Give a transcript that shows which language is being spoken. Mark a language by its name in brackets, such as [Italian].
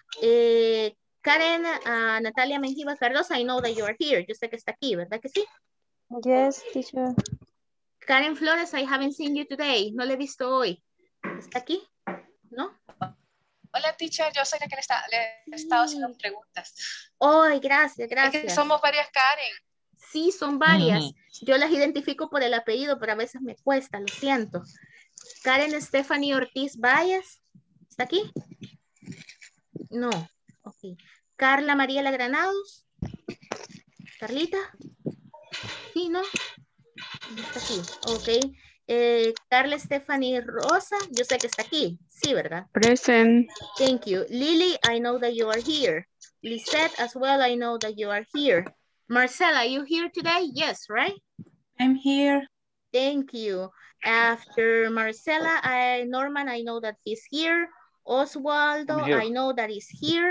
[English] Karen Natalia Mengiva Cardosa, I know that you are here. [Spanish] Yo sé que está aquí, ¿verdad que sí? [English] Yes, teacher. [Spanish] Karen Flores, [English] I haven't seen you today. [Spanish] No le he visto hoy. ¿Está aquí? ¿No? Hola, teacher. Yo sé que le he estado haciendo preguntas. Ay, gracias, gracias. Es que somos varias, Karen. Sí, son varias. Yo las identifico por el apellido, pero a veces me cuesta, lo siento. Karen Stephanie Ortiz Valles, ¿está aquí? No, ok. Carla Mariela Granados, Carlita, sí, ¿no? Está aquí, ok. Carla Stephanie Rosa, yo sé que está aquí, sí, ¿verdad? [English] Present. Thank you. Lily, I know that you are here. Lisette, as well, I know that you are here. Marcela, are you here today? Yes, right? I'm here. Thank you. After Marcela, Norman, I know that he's here. Oswaldo, here. I know that he's here.